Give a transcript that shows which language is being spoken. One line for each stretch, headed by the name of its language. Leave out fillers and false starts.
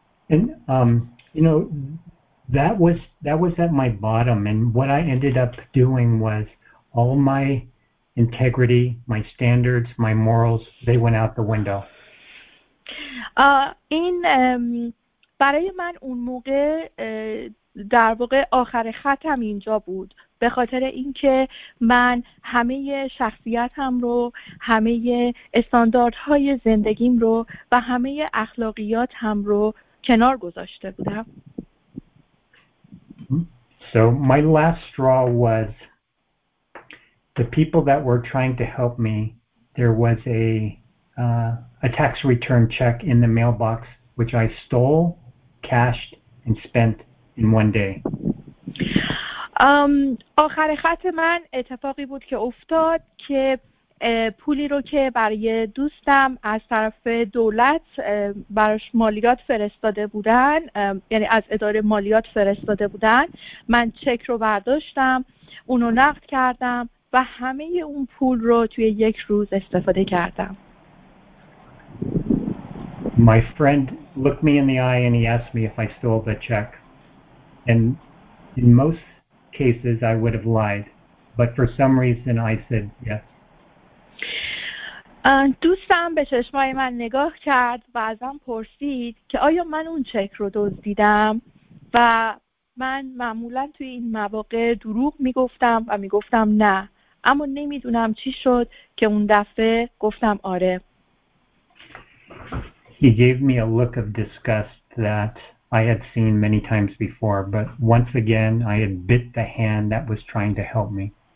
English: And you know, that was at my bottom, and what I ended up doing was all my integrity, my standards, my morals, they went out the window.
Persian: این برای من اون موقع در واقع آخر خطم اینجا بود، به خاطر اینکه من همه شخصیتم رو، همه استانداردهای زندگیم رو و همه اخلاقیاتم رو کنار گذاشته بودم.
English: So my last straw was the people that were trying to help me. There was a tax return check in the mailbox which I stole, cashed and spent in one day.
Persian: آخر خط من اتفاقی بود که افتاد که پولی رو که برای دوستم از طرف دولت براش مالیات فرستاده بودن، یعنی از اداره مالیات فرستاده بودن، من چک رو برداشتم، اونو نقد کردم و همه اون پول رو توی یک روز استفاده کردم.
English: My friend looked me in the eye and he asked me if I stole the check. And in most cases I would have lied, but for some reason I said yes.
Persian: دوستم به چشمای من نگاه کرد و ازم پرسید که آیا من اون چک رو دزدیدم، و من معمولا توی این مواقع دروغ میگفتم و میگفتم نه، اما نمیدونم چی شد که اون دفعه گفتم آره.
English: He gave me a look of disgust that I had seen many times before, but once again I had bit the hand that was trying to help me.